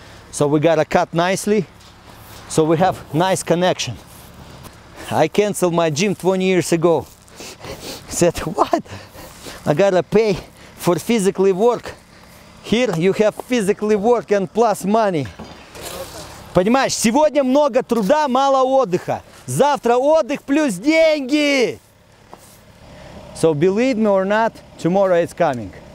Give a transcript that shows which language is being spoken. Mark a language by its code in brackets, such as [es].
[en] So we gotta cut nicely, so we have nice connection. I canceled my gym 20 years ago. Said, what? I gotta pay for physically work. Here you have physically work and plus money. [ru] Понимаешь, сегодня много труда, мало отдыха. Завтра отдых плюс деньги. [en] So believe me or not, tomorrow it's coming.